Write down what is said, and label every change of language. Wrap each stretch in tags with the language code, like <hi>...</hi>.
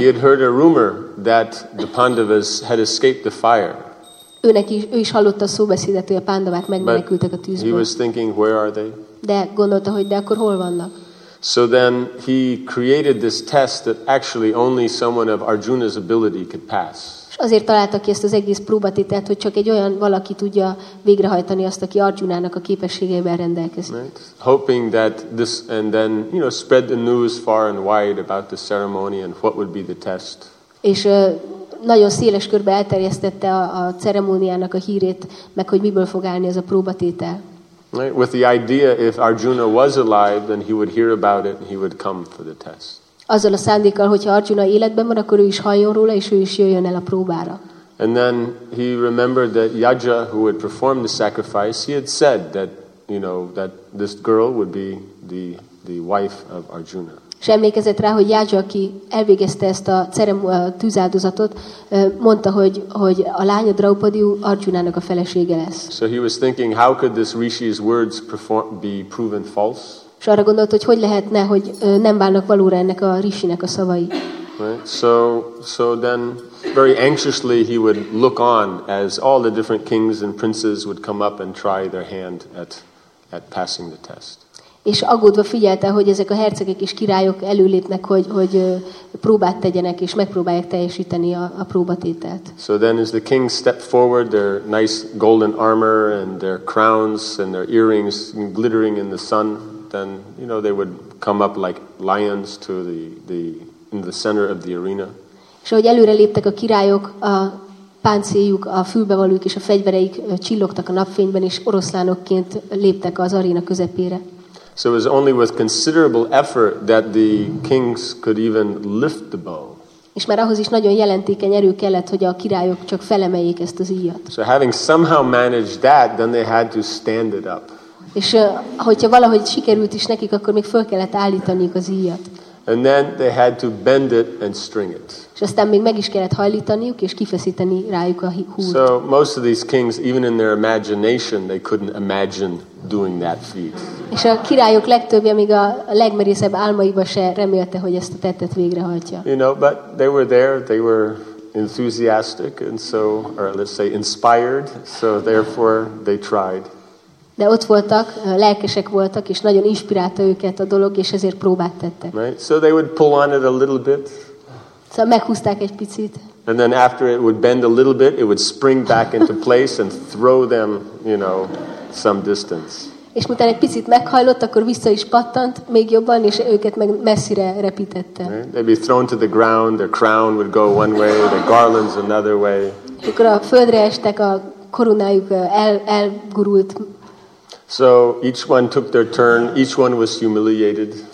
<en>He had heard a rumor that the Pandavas had escaped the fire.</en> <hu>Ő is hallotta a szóbeszédet, hogy a Pandavák megmenekültek a tűzből.</hu> <en>He was thinking, where are they?</en> <hu>De gondolta, hogy de akkor hol vannak?</hu> <en>So then he created this test that actually only someone of Arjuna's ability could pass.</en> <hu>Azért találta ki ezt az egész próbatételt, hogy csak egy olyan valaki tudja végrehajtani azt, aki Arjunának a képességeivel rendelkezik.</hu> <en>Right. Hoping that this and then, you know, spread the news far and wide about the ceremony and what would be the test.</en> <hu>És nagyon széles körbe elterjesztette a ceremóniának a hírét, meg hogy miből fog állni ez a próbatétel.</hu> <en>Right. With the idea if Arjuna was alive, then he would hear about it and he would come for the test.</en> <hu>Azzal a szándékkal, hogyha Arjuna életben van, akkor ő is halljon róla, és ő is jöjjön el a próbára.</hu> <en>And then he remembered that Yaja, who had performed the sacrifice, he had said that, you know, that this girl would be the wife of Arjuna.</en> <hu>És emlékezett rá, hogy Yaja, aki elvégezte ezt a tűzáldozatot, mondta, hogy a lánya Draupadi Arjunának a felesége lesz.</hu> <en>So he was thinking, how could this Rishi's words be proven false?</en> <hu>És arra gondolt, hogy hogy lehetne, hogy nem válnak valóra ennek a Rishinek a szavai.</hu> <en>Right. So then very anxiously he would look on as all the different kings and princes would come up and try their hand at passing the test.</en> <hu>És aggódva figyelte, hogy ezek a hercegek és királyok előlépnek, hogy próbát tegyenek és megpróbálják teljesíteni a próbatételt.</hu> <en>So then as the kings stepped forward, their nice golden armor and their crowns and their earrings glittering in the sun, then, you know, they would come up like lions to the center of the arena.</en> <hu>És ahogy előre léptek a királyok, a páncéljuk, a fülbevalójuk és a fegyvereik csillogtak a napfényben, és oroszlánokként léptek az aréna közepére.</hu> <en>So it was only with considerable effort that the kings could even lift the bow.</en> <hu>És már ahhoz is nagyon jelentékeny erő kellett, hogy a királyok csak felemeljék ezt az íjat.</hu> <en>So having somehow managed that, then they had to stand it up.</en> <hu>És hogyha valahogy sikerült is nekik, akkor még föl kellett állítaniuk az íjat.</hu> <en>And then they had to bend it and string it.</en> <hu>És aztán még meg is kellett hajlítaniuk és kifeszíteni rájuk a húrt.</hu> <en>So most of these kings, even in their imagination, they couldn't imagine doing that feat.</en> <hu>És a királyok legtöbbje még a legmerészebb álmaiba se remélte, hogy ezt a tettet végrehajtja.</hu> <en>You know, but they were there, they were enthusiastic, and so, or let's say inspired, so therefore they tried.</en> <hu>De ott voltak, lelkesek voltak, és nagyon inspirálta őket a dolog, és ezért próbát tettek.</hu> <en>Right? So they would pull on it a little bit.</en> <hu>Szóval meghúzták egy picit.</hu> <en>And then after it would bend a little bit, it would spring back into place and throw them, you know, some distance.</en> <hu>És miután egy picit meghajlott, akkor vissza is pattant, még jobban, és őket meg messzire repítette.</hu> <en>Right? They'd be thrown to the ground, their crown would go one way, their garlands another way.</en> <hu>Akkor a földre estek, a koronájuk elgurult.</hu> <en>So each one took their turn, each one was humiliated.</en>